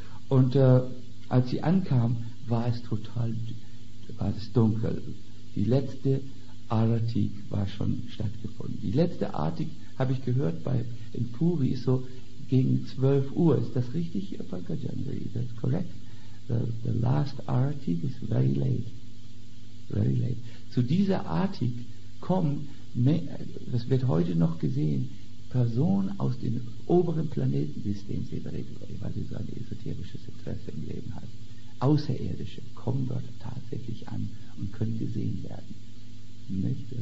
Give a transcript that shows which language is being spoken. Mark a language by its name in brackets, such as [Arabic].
[German] Und als sie ankam, war es dunkel. Die letzte Arati war schon stattgefunden. Die letzte Arati, habe ich gehört, in Puri ist so gegen 12 Uhr. Ist das richtig, Pankajandri? [English] Is that correct? The last Arati is very late. Very late. [German] Zu dieser Arati kommen, das wird heute noch gesehen, Person aus dem oberen Planetensystem, sie berichtet, weil sie so ein esoterisches Interesse im Leben hat. Außerirdische kommen dort tatsächlich an und können gesehen werden. Nicht?